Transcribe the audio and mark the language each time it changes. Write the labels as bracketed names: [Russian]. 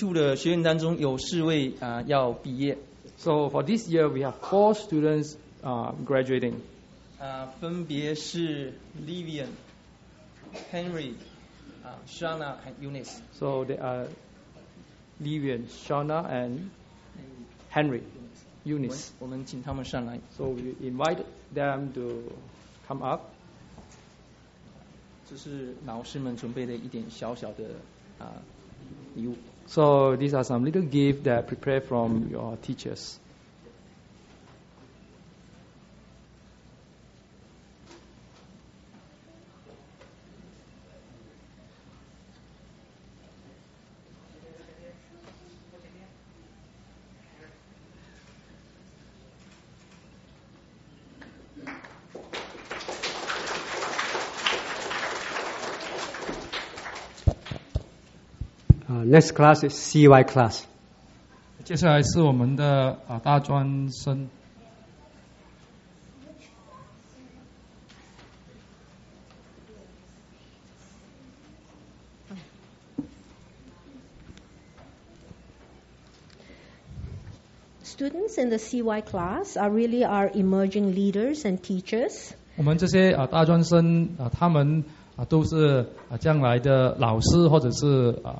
[Chinese] 所以今年我们E2的学院当中有4位 要毕业。 [English] So for this year we have 4 students graduating. [Chinese] 分别是 Livian, Henry, Shauna, and Eunice. [English] So they are Livian, Shauna, and Henry, Eunice. [Chinese] 我们请他们上来。 [English] So we invite them to come up. [Chinese] 这是老师们准备的一点小小的 礼物。 [English] So these are some little gifts that are prepared from your teachers. Next class is CY class. [Chinese] 接下来是我们的, 大专生。 [English] Students in the CY class are really our emerging leaders and teachers. [Chinese] 我们这些, 大专生, 他们, 都是将来的老师或者是,